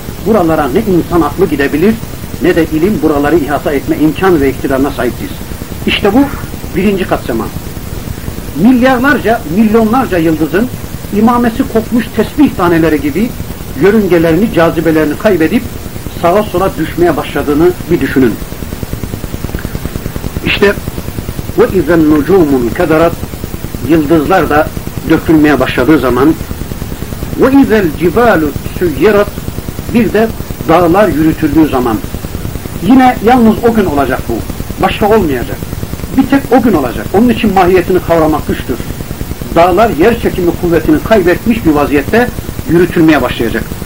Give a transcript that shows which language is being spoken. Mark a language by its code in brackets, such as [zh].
[tr] Buralara ne insan aklı gidebilir, ne de ilim buraları ihata etme imkan ve iktidarına sahiptir. İşte bu birinci kat sema. Milyarlarca, milyonlarca yıldızın imamesi kopmuş tesbih taneleri gibi yörüngelerini, cazibelerini kaybedip sağa sola düşmeye başladığını bir düşünün. [ar] İşte وَاِذَا النُّجُومُ كَدَرَتْ. [tr] Yıldızlar da dökülmeye başladığı zaman [ar] وَاِذَا الْجِبَالُ سُيِّرَتْ. [tr] Bir de dağlar yürütüldüğü zaman. Yine yalnız o gün olacak bu. Başka olmayacak. Bir tek o gün olacak. Onun için mahiyetini kavramak güçtür. Dağlar yer çekimi kuvvetini kaybetmiş bir vaziyette yürütülmeye başlayacak.